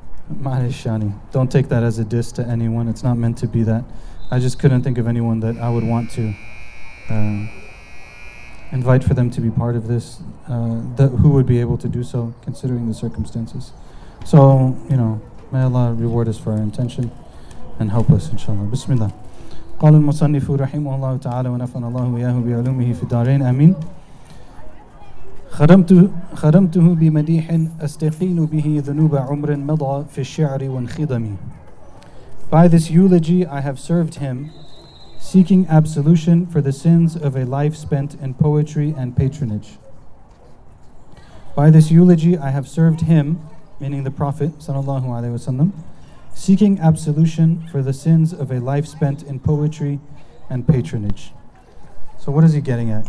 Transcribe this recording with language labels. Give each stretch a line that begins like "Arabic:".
English: Mahishani, don't take that as a diss to anyone. It's not meant to be that. I just couldn't think of anyone that I would want to invite for them to be part of this, who would be able to do so, considering the circumstances. So, you know, may Allah reward us for our intention and help us, inshallah. Bismillah.
Arabic: قال المصنف رحمه الله تعالى ونفعنا الله وياه بعلومه في الدارين آمين. خرمته بمديح أستقين به ذنوب عمر مضى في الشعر وانخدمي.
English: By this eulogy I have served him, seeking absolution for the sins of a life spent in poetry and patronage. By this eulogy I have served him, meaning the Prophet sallallahu alaihi wasallam, seeking absolution for the sins of a life spent in poetry and patronage. So what is he getting at?